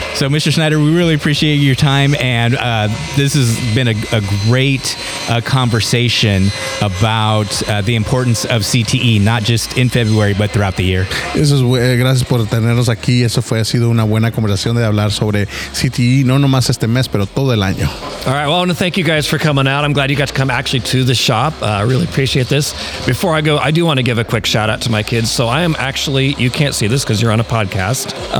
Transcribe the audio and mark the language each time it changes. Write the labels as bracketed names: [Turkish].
[English] So Mr. Schneider, we really appreciate your time, and this has been a great conversation about the importance of CTE, not just in February, but throughout the year. [Spanish] Eso es, gracias por tenernos aquí. Eso fue, ha sido una buena conversación de hablar sobre CTE, no nomás este mes, pero todo el año. [English] All right, well, I want to thank you guys for coming out. I'm glad you got to come actually to the shop. I really appreciate this. Before I go, I do want to give a quick shout out to my kids. So I am actually, you can't see this because you're on a podcast.